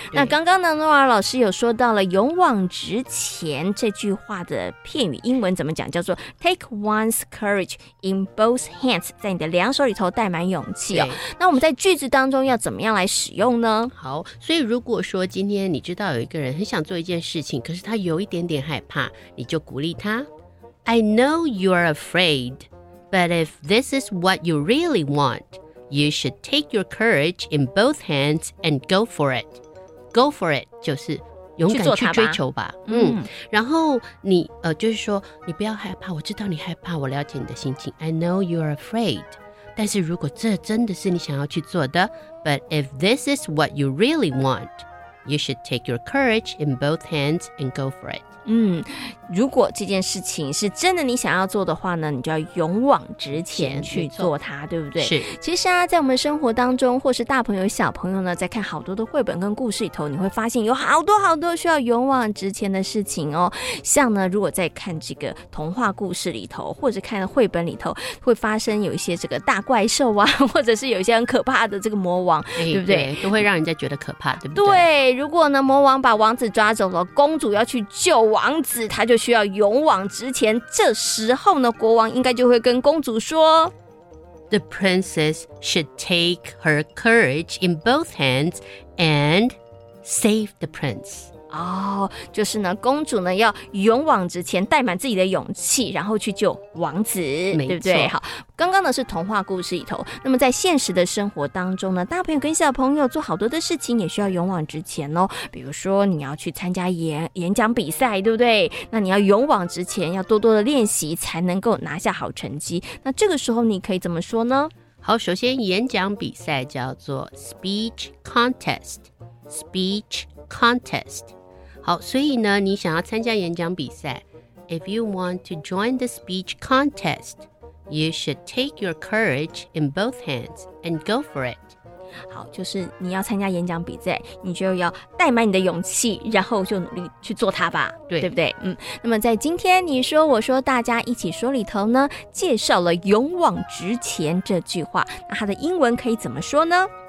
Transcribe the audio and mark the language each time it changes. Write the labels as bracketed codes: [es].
[zh] 那刚刚呢，诺尔老师有说到了勇往直前这句话的片语英文怎么讲，叫做 [en] Take one's courage in both hands， [zh] 在你的两手里头带满勇气哦。那我们在句子当中要怎么样来使用呢？好，所以如果说今天你知道有一个人很想做一件事情，可是他有一点点害怕，你就鼓励他。 [en] I know you're afraid, but if this is what you really want, you should take your courage in both hands and go for it. Go for it [zh] 就是勇敢去追求 吧。然后你就是说你不要害怕，我知道你害怕，我了解你的心情。 [en] I know you're afraid， [zh] 但是如果这真的是你想要去做的， [en] but if this is what you really want，You should take your courage in both hands and go for it. [zh] 如果这件事情是真的你想要做的话呢，你就要勇往直前去做它，对不对？是。其实啊，在我们生活当中，或是大朋友小朋友呢，在看好多的绘本跟故事里头，你会发现有好多好多需要勇往直前的事情哦。像呢，如果在看这个童话故事里头，或者看绘本里头，会发生有一些这个大怪兽啊，或者是有一些很可怕的这个魔王，对不对？都会让人家觉得可怕，对不对？对。如果呢，魔王把王子抓走了，公主要去救王子，他就需要勇往直前。这时候呢，国王应该就会跟公主说 [en] ：“The princess should take her courage in both hands and save the prince。” [zh] 哦，就是呢，公主呢要勇往直前，带满自己的勇气，然后去救王子，对不对？好，刚刚呢是童话故事里头，那么在现实的生活当中呢，大朋友跟小朋友做好多的事情也需要勇往直前哦。比如说你要去参加演讲比赛，对不对？那你要勇往直前，要多多的练习才能够拿下好成绩。那这个时候你可以怎么说呢？好，首先演讲比赛叫做 speech contest， speech contest。好，所以呢，你想要参加演讲比赛 [en] ，If you want to join the speech contest, you should take your courage in both hands and go for it. [zh] 好，就是你要参加演讲比赛，你就要带满你的勇气，然后就努力去做它吧。对，对不对？那么在今天你说我说大家一起说里头呢，介绍了勇往直前这句话，那它的英文可以怎么说呢